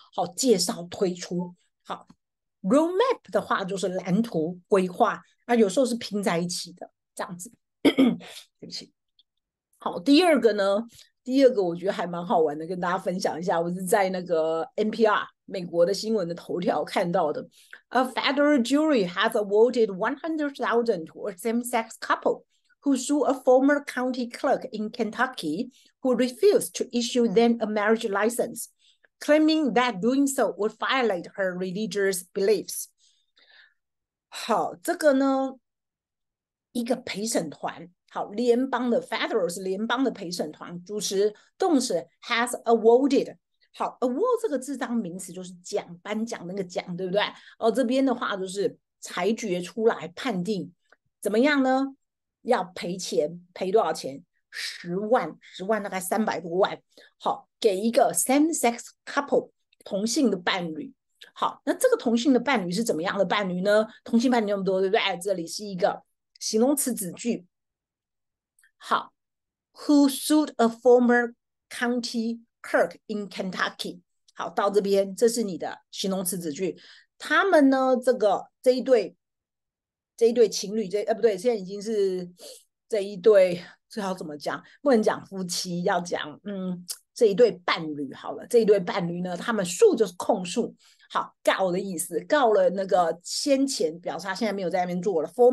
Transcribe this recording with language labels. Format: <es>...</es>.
<zh>好，介绍推出。好，roadmap 的话就是蓝图规划，啊，有时候是拼在一起的这样子 对不起。好，第二个呢？第二个我觉得还蛮好玩的，跟大家分享一下。我是在那个 NPR 美国的新闻的头条看到的。</zh> <en>A federal jury has awarded $100,000 to a same-sex couple who sued a former county clerk in Kentucky who refused to issue them a marriage license, claiming that doing so would violate her religious beliefs.</en> <zh>好，这个呢，一个陪审团。好，联邦的 federal 是联邦的陪审团，主持动词</zh> <en>has awarded。</en> <zh>好，award 这个字当名词就是奖，颁奖那个奖，对不对？哦，这边的话就是裁决出来判定怎么样呢？要赔钱，赔多少钱？10万，10万大概300多万。好，给一个</zh> <en>same-sex couple，</en> <zh>同性的伴侣。好，那这个同性的伴侣是怎么样的伴侣呢？同性伴侣那么多，对不对？这里是一个形容词子句。好 ，</zh> <en>Who sued a former county clerk in Kentucky？</en> <zh>好，到这边，这是你的形容词子句。他们呢，这个这一对情侣，这不对，现在已经是这一对，最好怎么讲？不能讲夫妻，要讲这一对伴侣好了，这一对伴侣呢，他们诉就是控诉，好告的意思，告了那个先前表示他现在没有在那边做了。</zh>